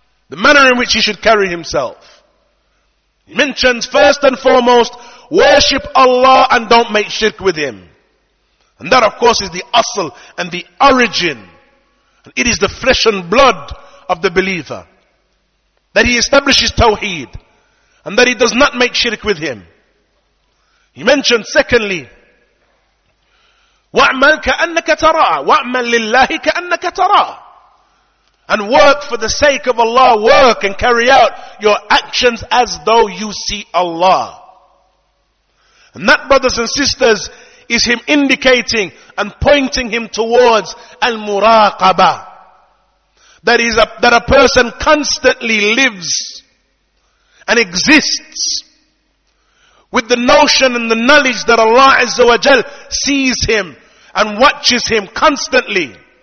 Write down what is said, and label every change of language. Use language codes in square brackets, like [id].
[en] The manner in which he should carry himself. He mentions first and foremost, worship Allah and don't make shirk with Him. And that of course is the asl and the origin. And it is the flesh and blood of the believer. That he establishes tawheed. And that he does not make shirk with Him. He mentioned secondly, [ar] وَعْمَلْ كَأَنَّكَ تَرَىٰ وَعْمَلْ لِلَّهِ كَأَنَّكَ تَرَىٰ. [en] And work for the sake of Allah. Work and carry out your actions as though you see Allah. And that, brothers and sisters, is Him indicating and pointing Him towards al-muraqabah. That a person constantly lives and exists with the notion and the knowledge that Allah Azza wa Jal sees him and watches him constantly.